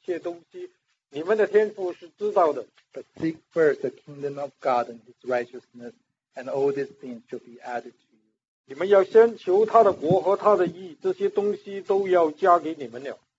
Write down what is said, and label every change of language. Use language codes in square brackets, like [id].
[zh] 所以不要忧虑说吃什么、喝什么、穿什么，这都是外邦人所求的。你们需用的这一切东西，你们的天父是知道的。But [en] seek first the kingdom of God and His righteousness, and all these things shall be added to you. [zh] 你们要先求他的国和他的义，这些东西都要加给你们了。